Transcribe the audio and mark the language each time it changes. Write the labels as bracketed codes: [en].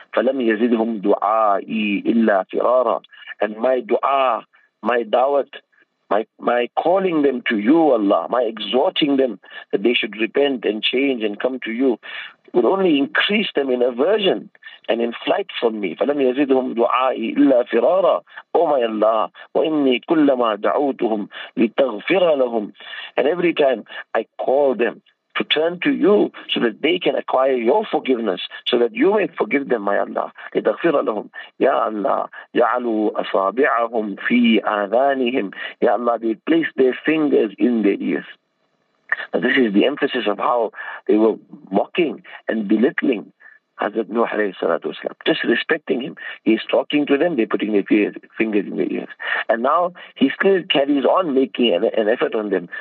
[ar] فَلَمْ يَزِدْهُمْ دُعَائِي إِلَّا فِرَارًا. [en] And my dua, my da'wat, My calling them to you, Allah, my exhorting them that they should repent and change and come to you, would only increase them in aversion and in flight from me. [ar] فَلَمْ يَزِدْهُمْ دُعَائِي إِلَّا فِرَارًا. [en] Oh my Allah, [ar] وَإِنِّي كُلَّمَا دَعُوتُهُمْ لِتَغْفِرَ لَهُمْ. [en] And every time I call them to turn to you so that they can acquire your forgiveness, so that you may forgive them, my Allah. [ar] لِتَغْفِرَ لَهُمْ. Ya Allah, جَعَلُوا أَصَابِعَهُمْ فِي آذَانِهِمْ. [en] Ya Allah, they placed their fingers in their ears. Now this is the emphasis of how they were mocking and belittling Hazrat Nuh alayhi salatu wasalam, disrespecting him. He's talking to them, they're putting their fingers in their ears. And now he still carries on making an effort on them.